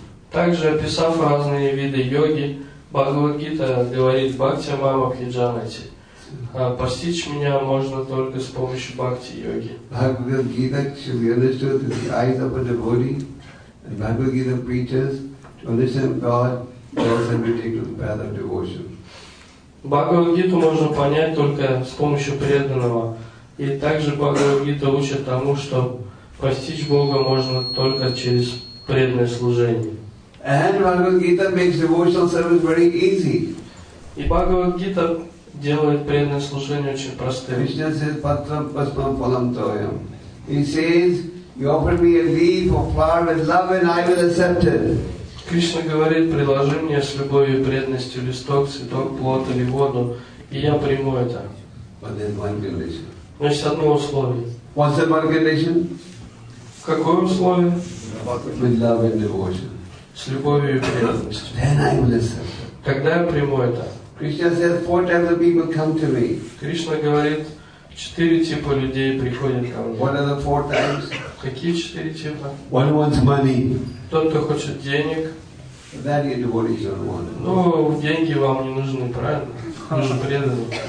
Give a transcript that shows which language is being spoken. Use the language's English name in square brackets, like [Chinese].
[Russian] Также, описав разные виды йоги, Бхагавад Гита говорит [Sanskrit] «Бхактия мама пхиджанати». [Russian] Постичь меня можно только с помощью бхакти-йоги. [English] Bhagavad Gita should be understood through the eyes of a devotee, and Bhagavad Gita preaches to understand God, also be taken to the path of devotion. [Russian] Bhagavad Gita можно понять только с помощью преданного, и также Bhagavad Gita учит тому, что постичь Бога можно только через преданное служение. [English] And Bhagavad Gita makes devotional service very easy. [Russian] И Bhagavad Gita делает преданное служение очень простым. [English] Krishna says, [Sanskrit] patram pasmam phalam toyam. [English] He says, you offer me a leaf or flower with love and I will accept it. [Russian] Кришна говорит, предложи мне с любовью и преданностью листок, цветок, плод или воду, и я приму это. [English] But there's one condition. [Russian] Значит, одно условие. [English] What's the one condition? [Russian] Какое условие? [English] With love and devotion. [Russian] С любовью и преданностью. [English] Then I will accept it. [Russian] Тогда я приму это. [English] Krishna says, four types of people come to me. [Russian] Кришна говорит, четыре типа людей приходят ко мне. [English] What are the four types? [Russian] Какие четыре типа? [English] One wants money. [Russian] Тот, кто хочет денег. [English] That your devotees don't want. [Russian] Ну, деньги вам не нужны, правильно? Нужны преданные.